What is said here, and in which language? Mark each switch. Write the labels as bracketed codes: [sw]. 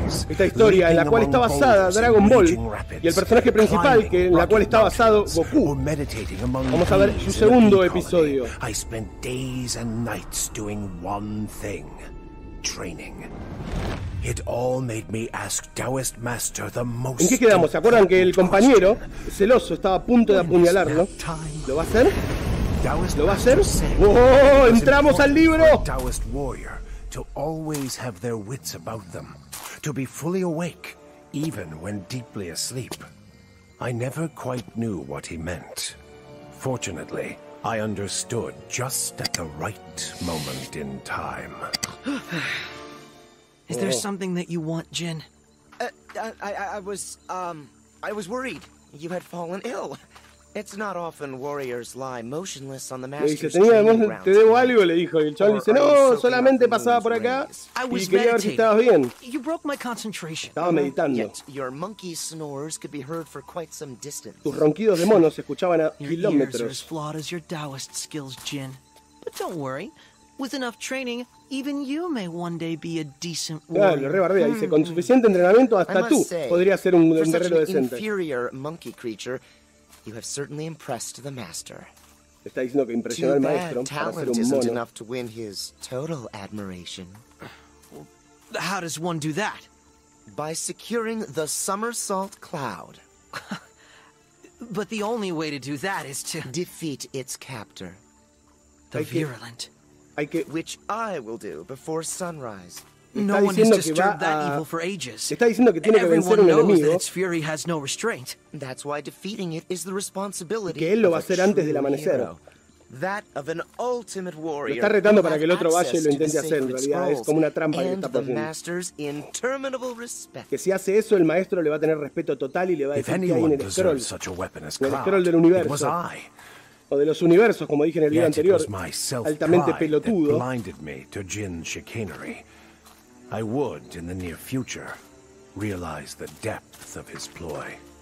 [es] Esta historia en la cual está basada Dragon Ball y el personaje principal que en la cual está basado Goku. Vamos a ver su segundo episodio. [en] I spent days and nights doing one thing: training. It all made me ask Taoist Master the most. [es] ¿En qué quedamos? ¿Se acuerdan que el compañero celoso estaba a punto de apuñalarlo? ¿Lo va a hacer? ¿Lo va a hacer? ¡Oh! ¡Entramos al libro! [en] Taoist warrior to always have their wits about them, to be fully awake even when deeply asleep. I never quite knew what he meant. Fortunately, I understood just at the right moment in time. Is there something that you want, Jin? I was worried. You had fallen ill. It's not often warriors lie motionless on the master's training grounds. [es] Te debo algo, le dijo. Y el chaval dice, no, solamente pasaba por acá y quería ver si estabas bien. [en] You broke my concentration. [es] Estaba meditando. [en] Yet your monkey snores could be heard for quite some distance. [es] Tus ronquidos de mono se escuchaban a kilómetros. [en] Your ears are as flawed as your Taoist skills, Jin. But don't worry. With enough training, even you may one day be a decent warrior. [es] Claro, lo rebardea, dice, con suficiente entrenamiento hasta tú podrías ser un guerrero decente. [en] Inferior monkey creature, you have certainly impressed the master. [es] Está diciendo que impresionó al maestro para ser un mono. [en] Enough to win his total admiration. How does one do that? By securing the somersault cloud. But the only way to do that is to defeat its captor, the virulent. Which I will do before sunrise. No one has disturbed that evil for ages. [es] Está diciendo que tiene que vencer un enemigo. [en] Its fury has no restraint. That's why defeating it is the responsibility. [es] Que él lo va a hacer antes del amanecer. [en] That of an ultimate warrior. [es] Lo está retando para que el otro vaya y lo intente hacer. En realidad es como una trampa que está poniendo. [en] The master's interminable respect. [es] Que si hace eso el maestro le va a tener respeto total y le va a decir que hay en el scroll. [en] Such a weapon as [es] el scroll del universo. O de los universos, como dije en el video anterior, altamente pelotudo. [en] Blinded me to Jin's chicanery. I would, in the near future, realize the depth of his ploy.